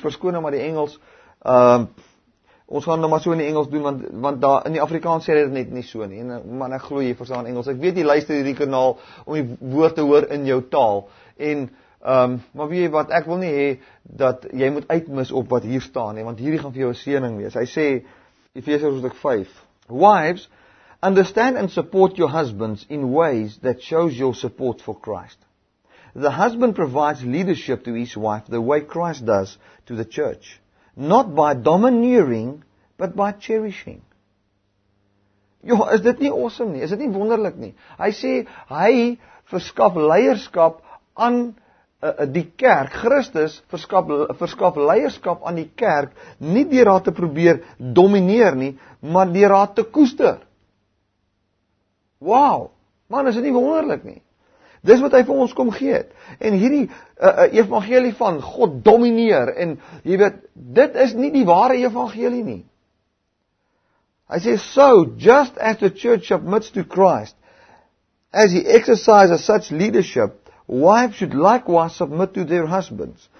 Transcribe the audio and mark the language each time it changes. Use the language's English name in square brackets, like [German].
[Afrikaans] Verskoon nou maar die Engels. Ons gaan nou maar so in die Engels doen, want daar in die Afrikaans sê dit net nie so nie. Man, ek glo jy verstaan Engels. Ek weet jy luister hierdie kanaal om die woord te hoor in jou taal. En, maar weet jy wat, ek wil nie hê dat jy moet uitmis op wat hier staan nie, want hierdie gaan vir jou 'n seëning wees. Hy sê, Efesiërs hoofstuk 5. [English] Wives, understand and support your husbands in ways that shows your support for Christ. The husband provides leadership to his wife the way Christ does to the church. Not by domineering, but by cherishing. [Afrikaans] Jo, is dit nie awesome nie? Is dit nie wonderlik nie? Hy sê, hy verskaf leierskap aan die kerk. Christus verskaf leierskap aan die kerk, nie deur haar te probeer domineer nie, maar deur haar te koester. Wow, man, is dit nie wonderlik nie? Dis wat hy vir ons kom gee het. En hierdie evangelie van God domineer, en jy weet, dit is nie die ware evangelie nie. Hy sê, [English] so, just as the church submits to Christ, as he exercises such leadership, wives should likewise submit to their husbands.